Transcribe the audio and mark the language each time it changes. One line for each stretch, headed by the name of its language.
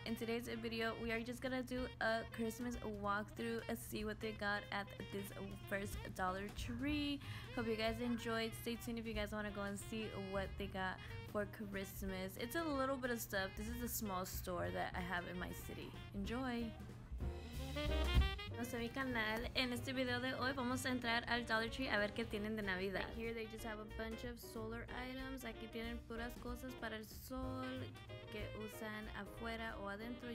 English: In today's video, we are just gonna do a Christmas walkthrough and see what they got at this first Dollar Tree. Hope you guys enjoyed. Stay tuned if you guys wanna go and see what they got for Christmas. It's a little bit of stuff. This is a small store that I have in my city.
Spanish: Enjoy! Vamos a mi canal. En este video de hoy vamos a entrar al Dollar Tree a ver qué tienen de Navidad.
English: Here they just have a bunch of solar items.
Spanish: Aquí tienen puras cosas para el sol que usan afuera o adentro.